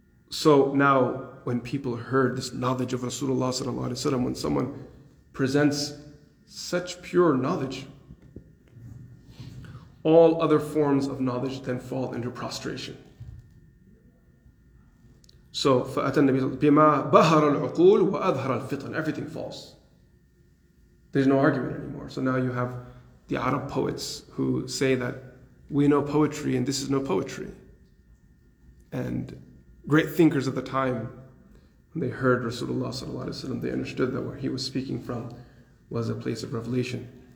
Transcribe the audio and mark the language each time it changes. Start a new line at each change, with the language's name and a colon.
English: So now, when people heard this knowledge of Rasulullah sallallahu alaihi wasallam, when someone presents such pure knowledge, all other forms of knowledge then fall into prostration.
Arabic: So فأتى النبي بما بهر العقول وأظهر الفطن.
English: Everything falls. There's no argument anymore. So now you have the Arab poets who say that we know poetry and this is no poetry. And great thinkers of the time, when they heard Rasulullah sallallahu alaihi wasallam, they understood that where he was speaking from was a place of revelation.